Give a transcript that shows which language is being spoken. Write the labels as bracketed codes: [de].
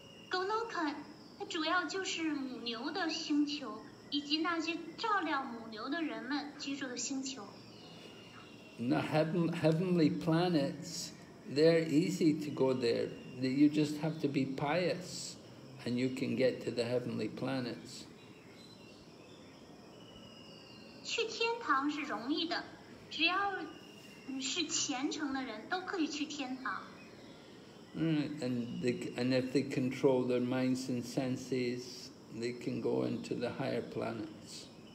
[zh] Goloka 主要就是母牛的星球，以及那些照料母牛的人们居住的星球。Now [en] heavenly planets, they're easy to go there. You just have to be pious, and you can get to the heavenly planets. [zh] 去天堂是容易的，只要是虔诚的人都可以去天堂。And [en] if they control their minds and senses, they can go into the higher planets.